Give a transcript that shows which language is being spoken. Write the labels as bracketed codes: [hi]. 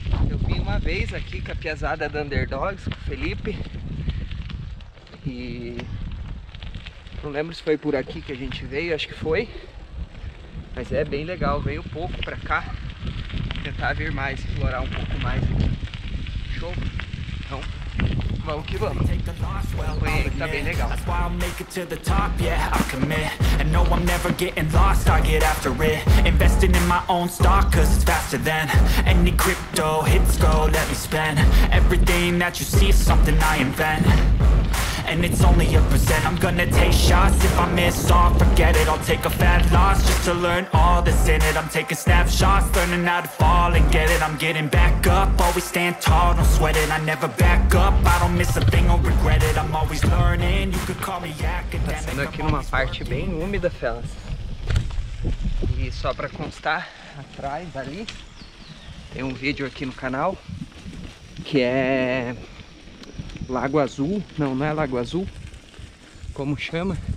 [pt] Eu vim uma vez aqui com a piazada da Underdogs, com o Felipe. E não lembro se foi por aqui que a gente veio, acho que foi. Mas é bem legal, veio pouco pra cá. Vou tentar vir mais, explorar um pouco mais aqui. Show? Então, vamos que vamos. Tá bem legal. [en] That's why I'll make it to the top, yeah, I commit. And no, I'm never getting lost, I get after it. Investing in my own stock, cause it's faster than any crypto hits go, let me spend. Everything that you see is something I invent. And it's only a percent. I'm gonna take shots. If I miss all, forget it. I'll take a fat loss just to learn all that's in it. I'm taking snapshots, learning how to fall and get it. I'm getting back up, always stand tall, don't sweat it. I never back up, I don't miss a thing, I'll regret it. I'm always learning, you could call me academic. [pt] Passando aqui numa parte bem úmida, fellas. E só pra constar, atrás, ali, tem um vídeo aqui no canal que é Lago Azul, não é Lago Azul, como chama?